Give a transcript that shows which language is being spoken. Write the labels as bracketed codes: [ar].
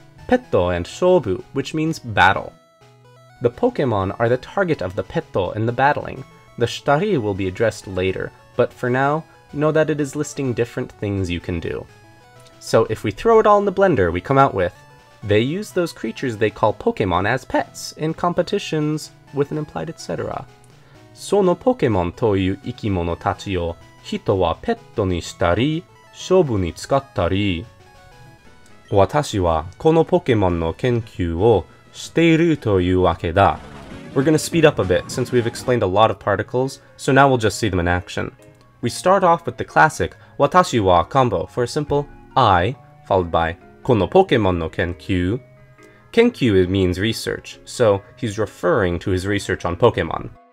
[en] Petto and shobu, which means battle. The Pokemon are the target of the petto in the battling. The shitari will be addressed later, but for now, know that it is listing different things you can do. So if we throw it all in the blender, we come out with, they use those creatures they call Pokemon as pets in competitions with an implied etc. [ja] そのポケモンという生き物たちを人はペットにしたり、勝負に使ったり。私はこのポケモンの研究をしているというわけだ。 We're going to speed up a bit since we've explained a lot of particles, so now we'll just see them in action. [en] We start off with the classic watashi wa combo for a simple I, followed by [ja] このポケモンの研究. [en] Kenkyu means research, so he's referring to his research on Pokemon.